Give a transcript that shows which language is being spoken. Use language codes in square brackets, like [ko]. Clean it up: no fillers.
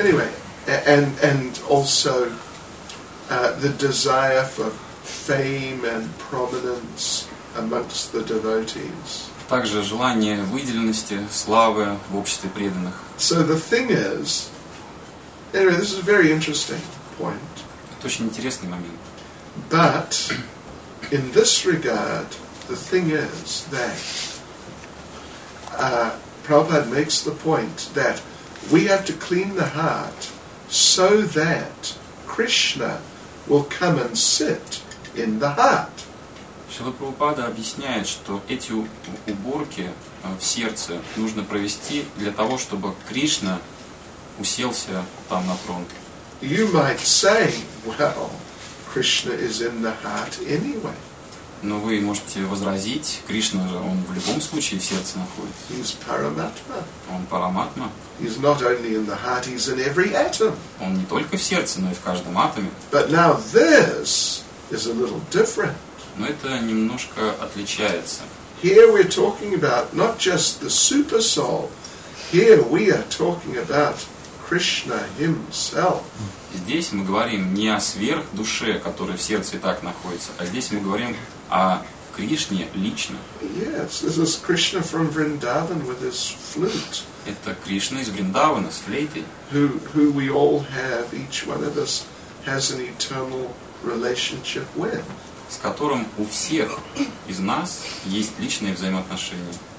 [en] Anyway, and also the desire for fame and prominence amongst the devotees. [ru] Также желание выделенности, славы в обществе преданных. [en] So the thing is, anyway, this is a very interesting point. [ru] Это очень интересный момент. [en] But in this regard, the thing is that Prabhupada makes the point that we have to clean the heart so that Krishna will come and sit in the heart. [ru] Шрила Прабхупада объясняет, что эти уборки в сердце нужно провести для того, чтобы Кришна уселся там на трон. [en] You might say, well, Krishna is in the heart anyway. [ru] Но вы можете возразить, Кришна же, он в любом случае в сердце находится. [en] He's Paramatma. [ru] Он Параматма. [en] He's not only in the heart, he's in every atom. [ru] Он не только в сердце, но и в каждом атоме. [en] But now this is a little different. [ru] Но это немножко отличается. [en] Here we're talking about not just the super soul. Here we are talking about Krishna himself. [ru] Здесь мы говорим не о сверхдуше, которая в сердце и так находится, а здесь мы говорим о Кришне лично. [en] Yes, this is Krishna from Vrindavan with his flute. [ru] Это Кришна из Вриндавана с флейтой. [en] Who we all have, each one of us has an eternal relationship with. [ru] С которым у всех из нас есть личные взаимоотношения.